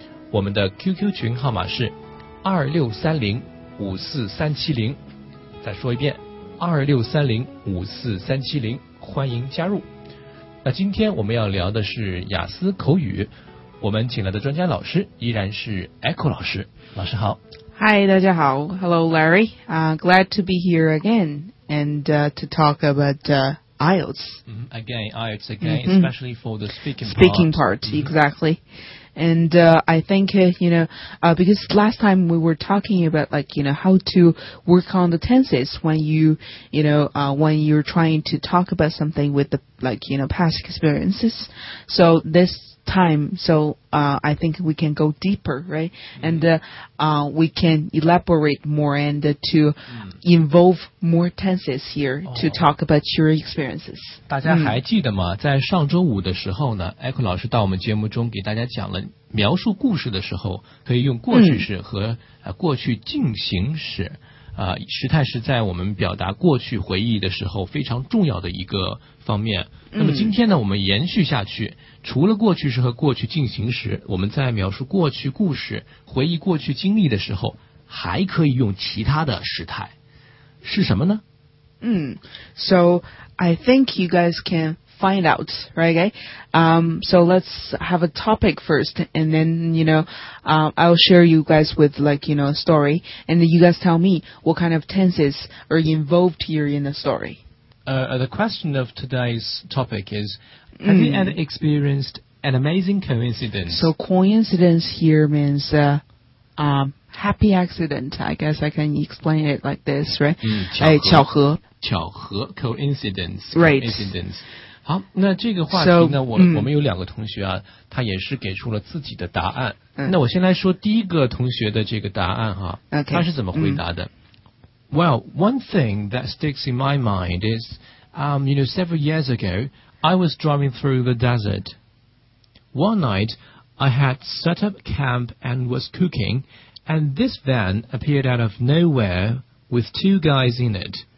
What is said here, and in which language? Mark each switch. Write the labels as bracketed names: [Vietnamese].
[Chinese] 我们的 QQ 群号码是26305430，再说一遍，26305430，欢迎加入。那今天我们要聊的是雅思口语，我们请来的专家老师依然是 Echo 老师。老师好。 [English] Hi， [Chinese] 大家好。 [English] Hello， Larry。 Glad to be here again and to talk about IELTS.、 Mm-hmm. Again, IELTS again,、mm-hmm. especially for the speaking part. Speaking part,、mm-hmm. exactly. And, I think, you know, because last time we were talking about, like, you know, how to work on the tenses when you, you know, when you're trying to talk about something with the, like, you know, past experiences. So this time, I think we can go deeper, right? Mm-hmm. And, we can elaborate more and to involve more tenses here to talk about your experiences. [Chinese] 大家还记得吗？在上周五的时候呢 ，Echo 老师到我们节目中给大家讲了描述故事的时候可以用过去式和过去进行时，时态是在我们表达过去回忆的时候非常重要的一个方面。那么今天呢，我们延续下去，除了过去式和过去进行时，我们在描述过去故事、回忆过去经历的时候，还可以用其他的时态，是什么呢？ [English] So I think you guys can find out, right? Okay. So let's have a topic first, and then you know, I'll share you guys with like you know a story, and then you guys tell me what kind of tenses are involved here in the story. The question of today's topic is: Have you ever experienced an amazing coincidence? So coincidence here means happy accident. I guess I can explain it like this, right? [Chinese] 巧合 coincidence. [English] Right. [Chinese] 好，那这个话题呢， so, 我们有两个同学啊，他也是给出了自己的答案。那我先来说第一个同学的这个答案哈， [English] okay, [Chinese] 他是怎么回答的？ [English] Well, one thing that sticks in my mind is, you know, several years ago, I was driving through the desert. One night, I had set up camp and was cooking, and this van appeared out of nowhere with two guys in it.